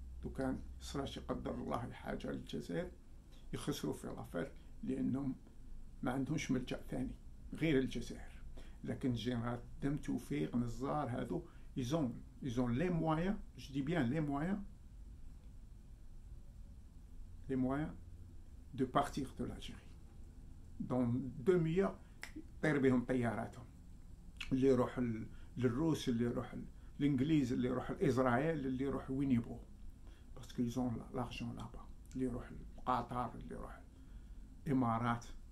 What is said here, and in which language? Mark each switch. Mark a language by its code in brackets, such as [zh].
[ar] لو كان صراش يقدر الله الحاجه للجزائر، يخسروا في لافير لانهم ما عندهمش ملجا ثاني غير الجزائر. لكن جنرال دم توفيق نزار هذو، [fr] ils ont les moyens, je dis bien les moyens de partir de l'Algérie. Dans demi-heure, [ar] تربيهم طياراتهم اللي يروح للروس اللي يروح للانجليز اللي يروح لاسرائيل اللي يروح وين يبغوا [fr] باسكو يزون لارجون لابا [ar] اللي يروح لقطر اللي يروح الامارات